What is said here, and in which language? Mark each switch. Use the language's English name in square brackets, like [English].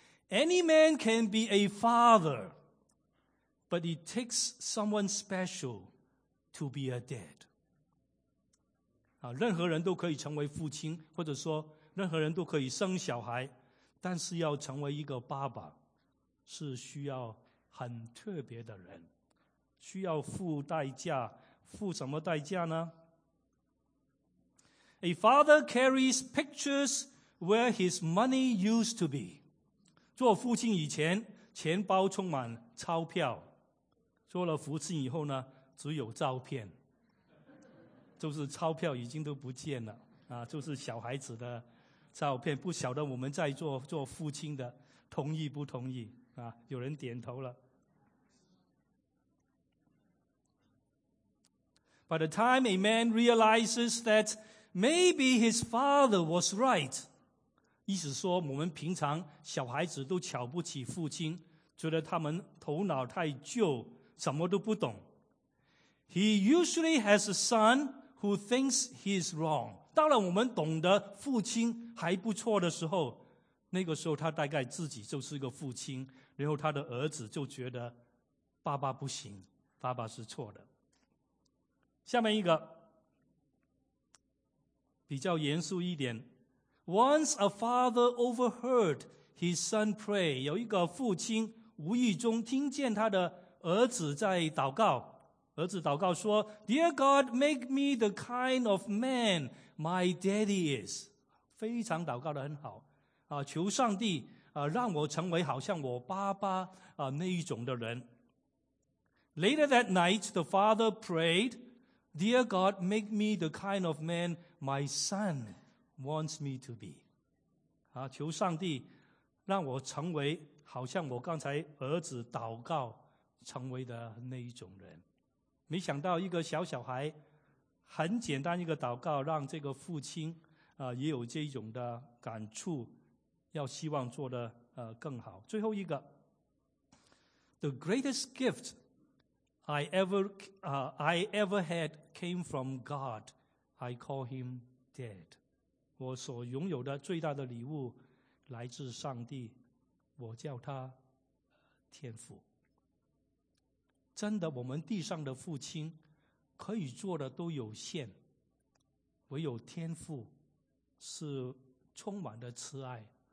[English] Any man can be a father, but it takes someone special to be a dad. [Chinese] 任何人都可以成为父亲，或者说任何人都可以生小孩，但是要成为一个爸爸是需要很特别的人，需要付代价。付什么代价呢？ [English] A father carries pictures where his money used to be. [Chinese] 做父亲以前，钱包充满钞票。做了父亲以后呢，只有照片。就是钞票已经都不见了。就是小孩子的照片。不晓得我们在做父亲的同意不同意。有人点头了。 [English] By the time a man realizes that Maybe his father was right. [Chinese] 意思说我们平常小孩子都瞧不起父亲，觉得他们头脑太旧，什么都不懂。 [English] He usually has a son who thinks he's wrong. [Chinese] 到了我们懂得父亲还不错的时候，那个时候他大概自己就是一个父亲，然后他的儿子就觉得爸爸不行，爸爸是错的。下面一个比较严肃一点。 [English] Once a father overheard his son pray. [Chinese] 有一个父亲无意中听见他的儿子在祷告。儿子祷告说 [English] Dear God, make me the kind of man my daddy is. [Chinese] 非常祷告得很好。求上帝让我成为好像我爸爸那一种的人。 [English] Later that night, the father prayed, Dear God, make me the kind of manMy son wants me to be. [Chinese] 求上帝让我成为好像我刚才儿子祷告成为的那一种人。没想到一个小小孩很简单一个祷告让这个父亲也有这种的感触，要希望做得更好。最后一个 [English] The greatest gift I ever had came from God. I call him dad. [Chinese] 我所拥有的最大的礼物来自上帝，我叫他天父。真的，我们地上的父亲可以做的都有限，唯有天父是充满的慈爱。